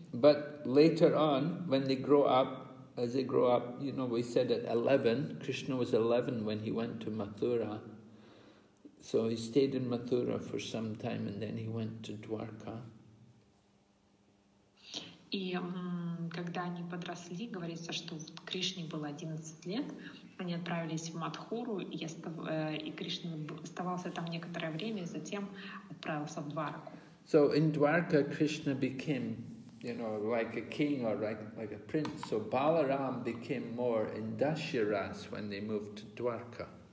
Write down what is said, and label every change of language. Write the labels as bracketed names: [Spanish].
[English] But later on, when they grow up, as they grow up, you know, we said at 11, Krishna was 11 when he went to Mathura. So he stayed in Mathura for some time and then he went to Dwarka. [Russian] И когда они подросли, говорится, что Кришне было 11 лет, они отправились в Матхуру, и Кришна оставался там некоторое время, затем отправился в Дварку. [English] So in Dwarka, Krishna became, you know, like a king or like a prince. So Balaram became more in Dasharas when they moved to Dwarka.